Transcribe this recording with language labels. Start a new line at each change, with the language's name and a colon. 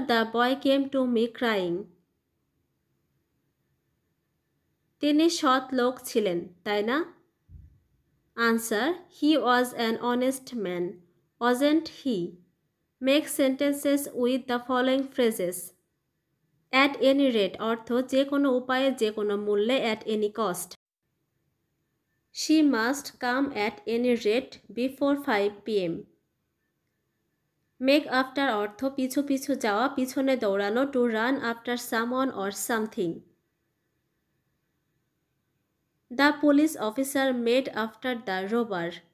English: The boy came to me crying.
Bangla: তিনি সৎ লোক ছিলেন তাই না?
English: Answer. He was an honest man. Wasn't he? Make sentences with the following phrases. At any rate
Bangla: অর্থ যে কোনো উপায়ে যে কোনো মূল্যে
English: at any cost. She must come at any rate before 5 p.m. Make after
Bangla: অর্থ পিছু পিছু যাওয়া পিছনে দৌড়ানো
English: to run after someone or something. The police officer made after the robber.